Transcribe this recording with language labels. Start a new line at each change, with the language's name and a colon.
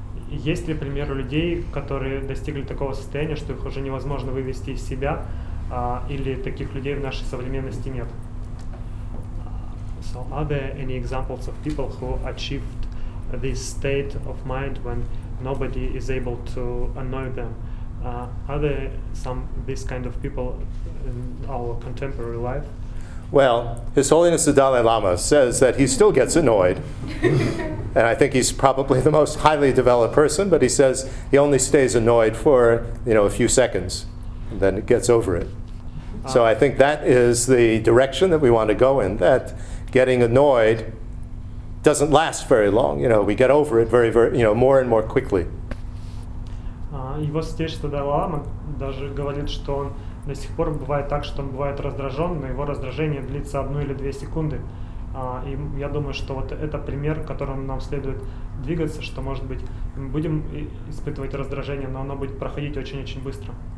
Russian: Есть ли примеры людей, которые достигли такого состояния, что их уже невозможно вывести из себя, или таких людей в нашей современности нет?
English: So, are there any examples of people who achieved this state of mind when nobody is able to annoy them? Are there some this kind of people in our contemporary life? Well, His Holiness the Dalai Lama says that he still gets annoyed. And I think he's probably the most highly developed person, but he says he only stays annoyed for, you know, a few seconds, and then gets over it. So I think that is the direction that we want to go in, that getting annoyed doesn't last very long. You know, we get over it very, very, you know, more and more quickly.
Russian: Его святейшество Далай Лама даже говорит, что он до сих пор бывает так, что он бывает раздражен, но его раздражение длится 1 или 2 секунды. И я думаю, что вот это пример, к которому нам следует двигаться, что, может быть, мы будем испытывать раздражение, но оно будет проходить очень-очень быстро.